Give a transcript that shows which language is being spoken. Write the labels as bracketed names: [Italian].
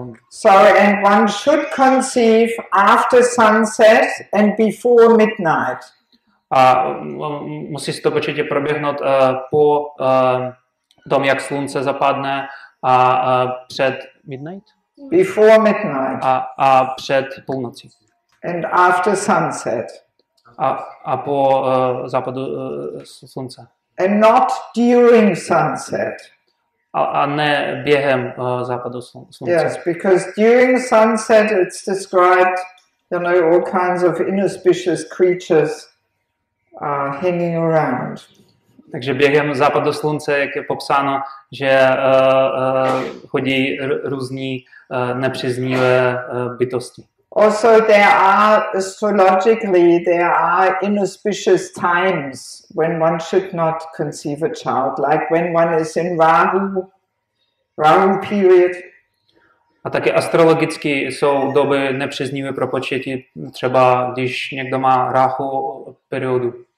[English] So and one should conceive after sunset and before midnight. [Czech] A musí se to početí proběhnout po tom, jak slunce zapadne a před midnight? [English] Before midnight. [Czech] A před půlnocí. [English] And after sunset. [Czech] A po západu slunce. [English] And not during sunset. [Czech] A ne během západu slunce. [English] Yes, because during sunset it's described, you know, all kinds of inauspicious creatures hanging around. [Czech] Takže během západu slunce, jak je popsáno, že chodí různí nepříznivé bytosti. [English] Also, there are astrologically there are inauspicious times when one should not conceive a child, like when one is in Rahu period. [Czech] A taky astrologicky jsou doby nepříznivé pro početí, třeba když někdo má Rahu periodu.